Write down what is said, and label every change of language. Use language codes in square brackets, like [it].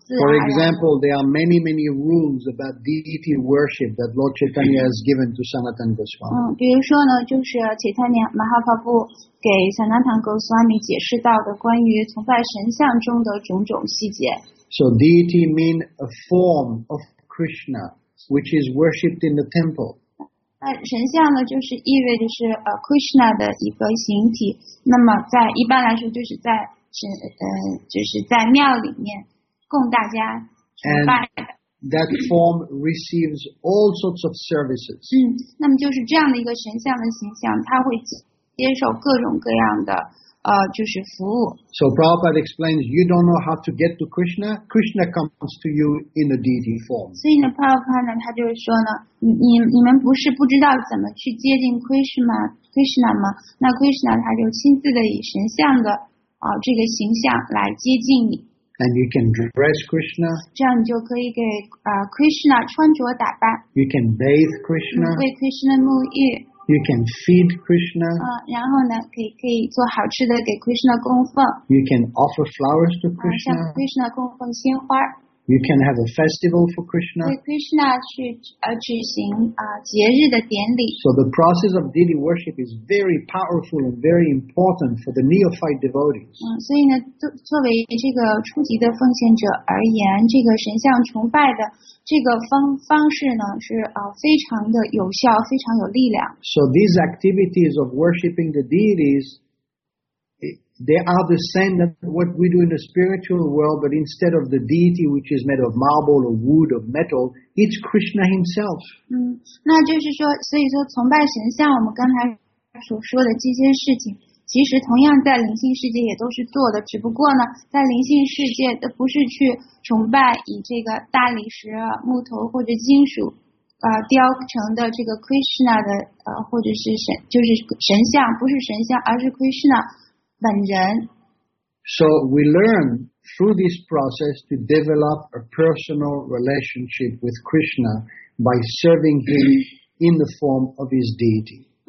[en] For example, there are many, many rules about deity worship that Lord Chaitanya has given to Sanatan Goswami. [zh] 比如说呢，就是切特尼马哈帕布给 Sanatan Goswami 解释到的关于崇拜神像中的种种细节。 [en] So deity means a form of Krishna which is worshipped in the temple. [zh] 神像呢，就是意味着是Krishna 的一个形体。那么在一般来说，就是在神就是在庙里面供大家崇拜的。 [en] And that form receives all sorts of services. [zh] 那么就是这样的一个神像的形象，它会接受各种各样的就是服务。 [en] So Prabhupada explains, you don't know how to get to Krishna. Krishna comes to you in a deity form. [zh] 所以呢 ，Prabhupada 他就是说呢，你们不是不知道怎么去接近 Krishna 吗？那 Krishna 他就亲自的以神像的这个形象来接近你。 [en] And you can dress Krishna. [zh] 这样你就可以给Krishna 穿着打扮。 [en] You can bathe Krishna. [zh] 为 Krishna 沐浴。 [en] You can feed Krishna. [zh] 然后呢，可以做好吃的给 Krishna 供奉。 [en] You can offer flowers to Krishna. [zh] 向 Krishna 供奉鲜花。 [en] You can have a festival for Krishna. [zh] 为 Krishna 去举行节日的典礼。 [en] So the process of deity worship is very powerful and very important for the neophyte devotees. [zh] 所以呢，作为这个初级的奉献者而言，这个神像崇拜的这个方式呢，是非常的有效，非常有力量。 [en] So these activities of worshipping the deities, they are the same as what we do in the spiritual world, but instead of the deity which is made of marble or wood or metal, it's Krishna himself. [zh] 那就是说，所以说崇拜神像，我们刚才所说的这些事情，其实同样在灵性世界也都是做的，只不过呢，在灵性世界都不是去崇拜以这个大理石、木头或者金属雕成的这个 Krishna 的或者是神像，不是神像，而是 Krishna。本人。 [en] So we learn through this process to develop a personal relationship with Krishna by serving him in the form of his deity.